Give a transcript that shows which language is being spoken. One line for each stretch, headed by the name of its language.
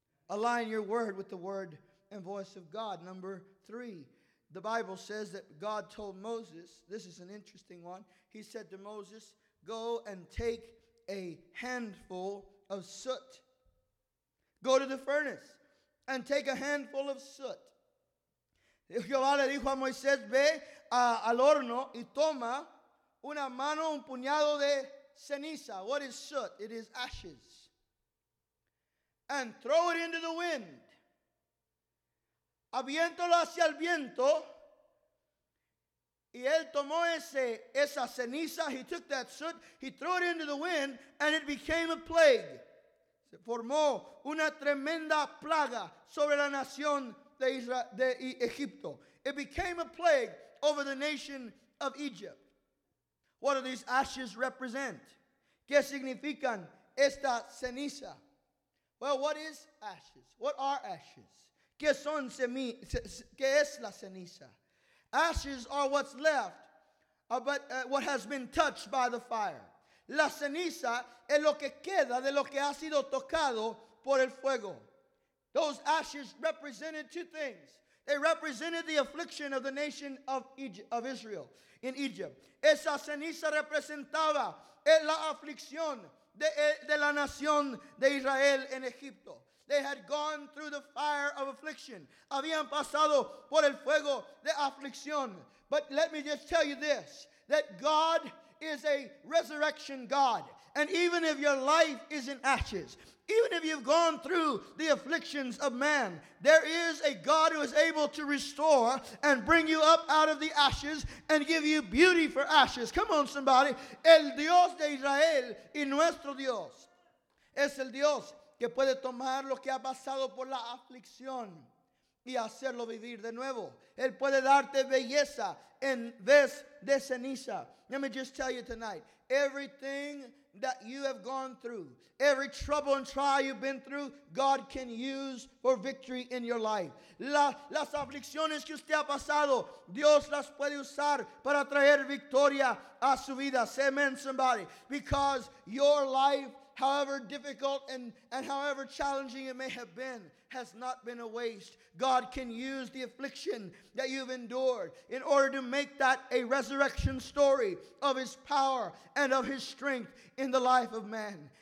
English: align your word with the word and voice of God. Number three, the Bible says that God told Moses, this is an interesting one, he said to Moses, go and take a handful of soot. Go to the furnace and take a handful of soot.
Spanish: Jehová le dijo a Moisés, ve al horno y toma una mano, un puñado de ceniza.
English: What is soot? It is ashes. And throw it into the wind.
Spanish: Aviéntalo hacia el viento. Y él tomó esa ceniza.
English: He took that soot. He threw it into the wind. And it became a plague.
Spanish: Se formó una tremenda plaga sobre la nación de Egipto.
English: It became a plague over the nation of Egypt. What do these ashes represent?
Spanish: ¿Qué significan esta ceniza?
English: Well, what is ashes? What are ashes?
Spanish: ¿Qué son qué es la ceniza?
English: Ashes are what's left, but what has been touched by the fire.
Spanish: La ceniza es lo que queda de lo que ha sido tocado por el fuego.
English: Those ashes represented two things. They represented the affliction of the nation of Egypt, of Israel in Egypt.
Spanish: Esa ceniza representaba la aflicción de la nación de Israel en Egipto.
English: They had gone through the fire of affliction.
Spanish: Habían pasado por el fuego de aflicción.
English: But let me just tell you this, that God is a resurrection God. And even if your life is in ashes, even if you've gone through the afflictions of man, there is a God who is able to restore and bring you up out of the ashes and give you beauty for ashes. Come on, somebody.
Spanish: El Dios de Israel y nuestro Dios es el Dios que puede tomar lo que ha pasado por la aflicción y hacerlo vivir de nuevo. Él puede darte belleza en vez de ceniza.
English: Let me just tell you tonight, everything that you have gone through, every trouble and trial you've been through, God can use for victory in your life.
Spanish: Las aflicciones que usted ha pasado, Dios las puede usar para traer victoria a su vida.
English: Say amen, somebody. Because your life, however difficult and however challenging it may have been, has not been a waste. God can use the affliction that you've endured in order to make that a resurrection story of his power and of his strength in the life of man.